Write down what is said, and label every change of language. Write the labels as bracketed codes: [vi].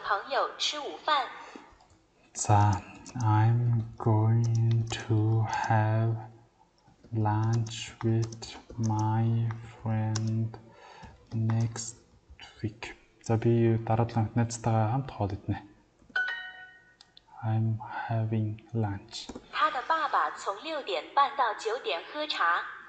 [zh] 下个星期我和朋友吃午饭。咋？ [en] I'm going to have lunch with my friend next week. [mn] За би дараагийн найзтайгаа хамт хоол идэнэ. [en] I'm having lunch. [zh] 他的爸爸从6点半到9点喝茶.